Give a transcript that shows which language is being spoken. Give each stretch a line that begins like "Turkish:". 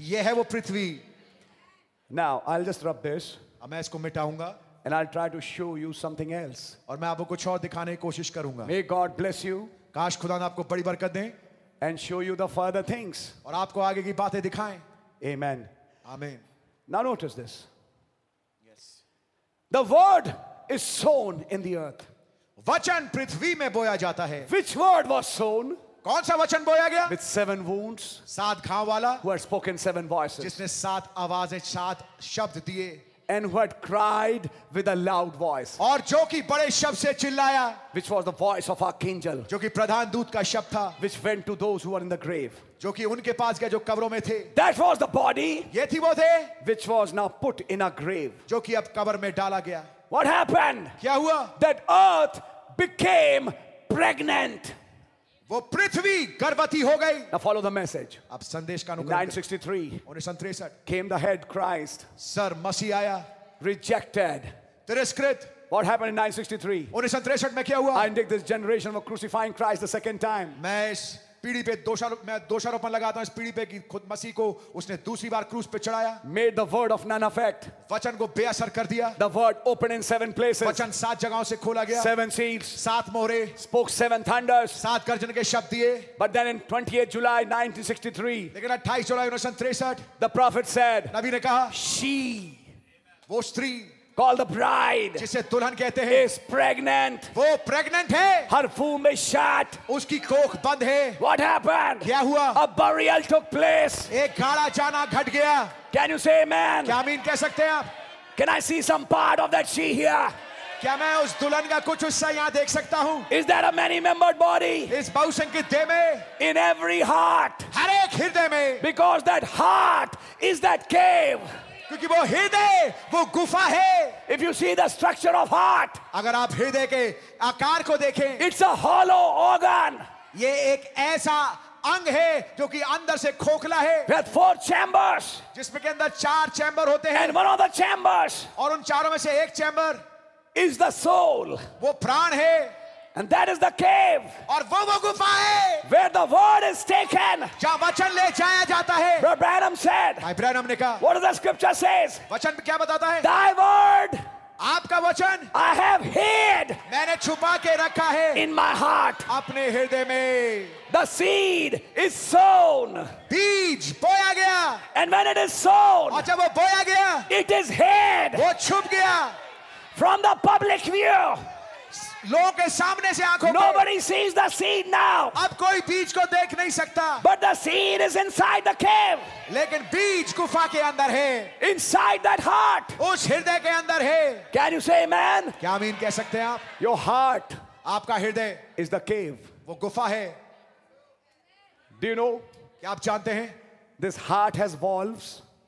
Hindi: ये है वो पृथ्वी
English: now I will just rub this
Hindi: मैं इसको मिटाऊंगा
English: and I will try to show you something else
Hindi: और मैं आपको कुछ और दिखाने की कोशिश करूंगा
English: may God bless you
Hindi: काश खुदा ने आपको बड़ी बरकत दें
English: and show you the further things
Hindi: और आपको आगे की बातें दिखाएं आमेन आमेन
English: Now notice this The word is sown in the earth.
Hindi: वचन पृथ्वी में बोया जाता है
English: Which word was sown?
Hindi: कौन सा वचन बोया गया?
English: With seven wounds,
Hindi: सात घाव वाला,
English: who had spoken seven voices,
Hindi: जिसने सात आवाजें, सात शब्द दिए,
English: and who had cried with a loud voice,
Hindi: और जो कि बड़े शब्द से चिल्लाया,
English: which was the voice of archangel,
Hindi: जो कि प्रधान दूत का शब्द था,
English: which went to those who were in the grave,
Hindi: जो कि उनके पास गया जो कब्रों में थे,
English: that was the body,
Hindi: ये थी वो थे,
English: which was now put in a grave,
Hindi: जो कि अब कब्र में डाला गया,
English: what happened,
Hindi: क्या हुआ?
English: That earth became pregnant.
Hindi: वो पृथ्वी गर्भवती हो गई.
English: Now follow the message.
Hindi: अब संदेश का अनुकरण. 1963. 1963.
English: Came the head Christ.
Hindi: Sir मसीह आया.
English: Rejected.
Hindi: तिरस्कृत.
English: What happened in 1963?
Hindi: 1963 में क्या हुआ?
English: I indict this generation for crucifying Christ the second time.
Hindi: मैं इस पीढ़ी पे दोषारोपण लगाता हूँ इस पीढ़ी पे कि खुद मसीह को उसने दूसरी बार क्रूस पे चढ़ाया.
English: Made the word of none effect.
Hindi: वचन को बेअसर कर दिया.
English: The word opened in seven places.
Hindi: वचन सात जगहों से खोला गया.
English: Seven seals.
Hindi: सात मोहरे.
English: Spoke seven thunders.
Hindi: सात गर्जन के शब्द दिए.
English: But then in 28 July 1963.
Hindi: लेकिन 28 जुलाई 1963.
English: The prophet said.
Hindi: नबी ने कहा.
English: She.
Hindi: वो स्त्री.
English: Call the bride.
Hindi: जिसे दुल्हन कहते हैं.
English: Is pregnant.
Hindi: वो pregnant है.
English: Her womb is shut.
Hindi: उसकी कोख बंद है.
English: What happened?
Hindi: क्या हुआ?
English: A burial took place.
Hindi: एक गाड़ा जाना घट गया.
English: Can you say amen?
Hindi: क्या आमीन कह सकते हैं आप?
English: Can I see some part of that she here?
Hindi: क्या मैं उस दुल्हन का कुछ हिस्सा यहाँ देख सकता हूँ?
English: Is there a many-membered body?
Hindi: इस बहुसंख्यक देह में?
English: In every heart.
Hindi: हर एक हृदय में?
English: Because that heart is that cave.
Hindi: क्योंकि वो हृदय वो गुफा है.
English: If you see the structure of heart,
Hindi: अगर आप हृदय के आकार को देखें,
English: it's a hollow organ.
Hindi: ये एक ऐसा अंग है जो कि अंदर से खोखला है.
English: With four chambers,
Hindi: जिसमें के अंदर चार चैम्बर होते हैं.
English: And one of the chambers,
Hindi: और उन चारों में से एक चैम्बर,
English: is the soul.
Hindi: वो प्राण है.
English: And that is the cave.
Hindi: और वो गुफा है.
English: Where the word is taken.
Hindi: जहाँ वचन ले जाया जाता है.
English: Brother Branham said.
Hindi: भाई ब्रैनम ने कहा.
English: What does the scripture says?
Hindi: वचन क्या बताता है?
English: Thy word.
Hindi: आपका वचन.
English: I have hid.
Hindi: मैंने छुपा के रखा है.
English: In my heart.
Hindi: अपने हृदय में.
English: The seed is sown.
Hindi: बीज बोया गया.
English: And when it is sown.
Hindi: और जब वो बोया गया.
English: It is hid.
Hindi: वो छुप गया.
English: From the public view.
Hindi: लोगों के सामने से आंखों
English: Nobody sees the seed now.
Hindi: अब कोई बीज को देख नहीं सकता.
English: But the seed is inside the cave.
Hindi: लेकिन बीज गुफा के अंदर है.
English: Inside that heart.
Hindi: उस हृदय के अंदर है.
English: Can you say amen?
Hindi: क्या आमीन कह सकते हैं आप?
English: Your heart.
Hindi: आपका हृदय.
English: Is the cave.
Hindi: वो गुफा है.
English: Do you know?
Hindi: क्या आप जानते हैं?
English: This heart has valves.